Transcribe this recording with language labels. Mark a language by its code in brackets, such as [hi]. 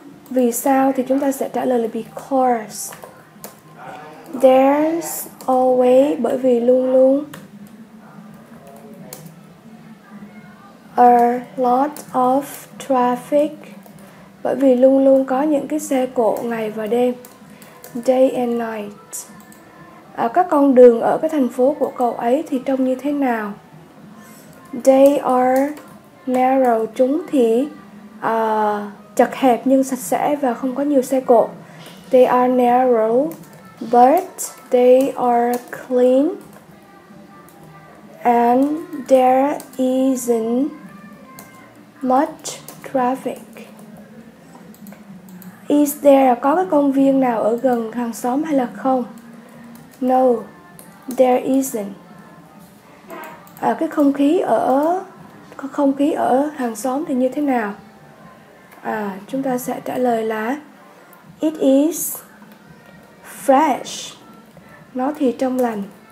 [vi] Vì sao thì chúng ta sẽ trả lời là because. [en] There's always, [vi] bởi vì luôn luôn, [en] a lot of traffic, [vi] bởi vì luôn luôn có những cái xe cộ ngày và đêm, [en] day and night. [vi] À, các con đường ở cái thành phố của cậu ấy thì trông như thế nào? [en] They are narrow, [vi] chúng thì chật hẹp nhưng sạch sẽ và không có nhiều xe cộ. [en] They are narrow, but they are clean, and there isn't much traffic. Is there, [vi] có cái công viên nào ở gần hàng xóm hay là không? [en] No, there isn't. [vi] À, cái không khí ở hàng xóm thì như thế nào? À, chúng ta sẽ trả lời là [en] it is fresh, [vi] nó thì trong lành.